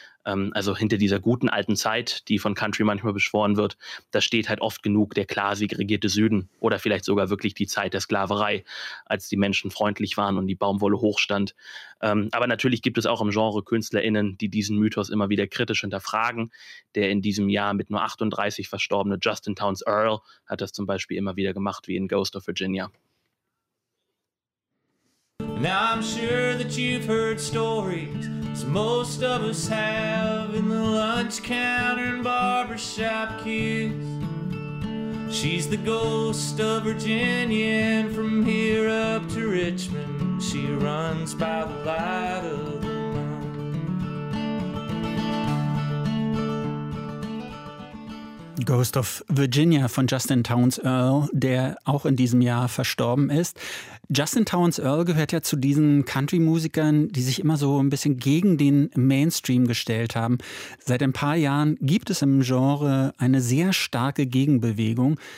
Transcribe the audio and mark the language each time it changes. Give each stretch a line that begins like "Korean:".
German: Also hinter dieser guten alten Zeit, die von Country manchmal beschworen wird, da steht halt oft genug der klar segregierte Süden oder vielleicht sogar wirklich die Zeit der Sklaverei, als die Menschen freundlich waren und die Baumwolle hochstand. Aber natürlich gibt es auch im Genre KünstlerInnen, die diesen Mythos immer wieder kritisch hinterfragen. Der in diesem Jahr mit nur 38 verstorbene Justin Townes Earl hat das zum Beispiel immer wieder gemacht, wie in Ghost of Virginia.
English: Now I'm sure that you've heard stories, as most of us have, in the lunch counter and barbershop queues. She's the ghost of Virginia, and from here up to Richmond, she runs by the light of the moon.
German: Ghost of Virginia von Justin Townes Earl, der auch in diesem Jahr verstorben ist. Justin Townes Earl gehört ja zu diesen Country-Musikern, die sich immer so ein bisschen gegen den Mainstream gestellt haben. Seit ein paar Jahren gibt es im Genre eine sehr starke Gegenbewegung.